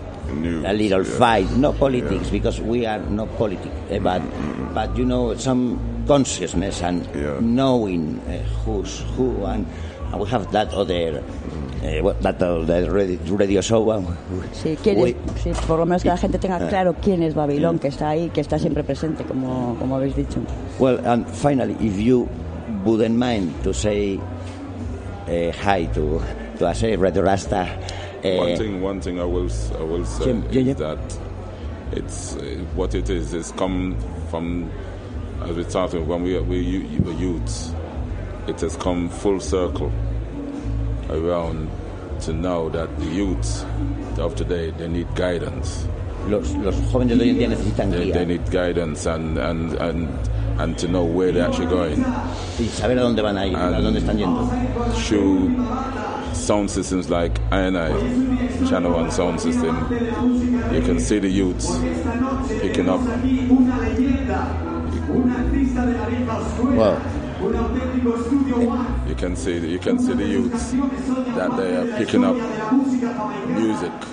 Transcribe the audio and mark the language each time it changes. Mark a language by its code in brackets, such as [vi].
[en] news, a little, yes, fight, no politics, yeah, because we are not politics, but but you know, some consciousness and, yeah, knowing who's who, and we have that other that other radio show. [es] Sí, ¿quién es? Sí, por lo menos que la gente tenga claro quién es Babilón, que está ahí, que está siempre presente, como habéis dicho. [en] Well, and finally, if you wouldn't mind to say hi to us, Radio Rasta. One thing I will say, Jim, is, yeah, that it's what it is. It's come from, as we started when we were youths. It has come full circle around to know that the youths of today, they need guidance. [es] Los jóvenes de hoy en día necesitan guía. [en] They need guidance and to know where they're actually going. [es] Y saber a dónde van a ir, a dónde están yendo. [en] Should sound systems like INI, Channel 1 sound system, you can see the youths picking up. Well, you can see the youths that they are picking up music.